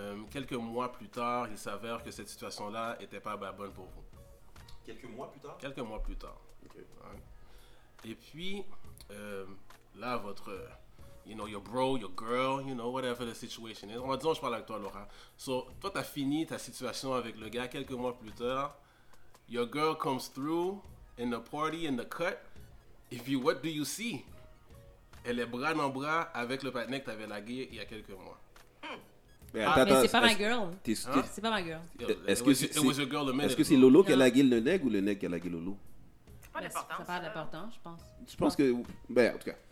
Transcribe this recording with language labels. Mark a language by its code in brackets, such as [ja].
[fr] Quelques mois plus tard, il s'avère que cette situation-là n'était pas bonne pour vous. Quelques mois plus tard? Quelques mois plus tard. Okay. Ouais. Et puis, là, votre, [en] you know, your bro, your girl, you know, whatever the situation is. [fr] On va dire, je parle avec toi, Laura. So, toi, t'as fini ta situation avec le gars quelques mois plus tard. [en] Your girl comes through in the party, in the cut. If you, what do you see? [fr] Elle est bras dans bras avec le partner que t'avais lagué il y a quelques mois. Mais c'est pas ma girl. Est-ce que c'est Lolo qui a lagué le nègre ou le nègre qui a lagué Lolo? C'est pas d'importance, je pense. Je pense que. Ben, en tout cas.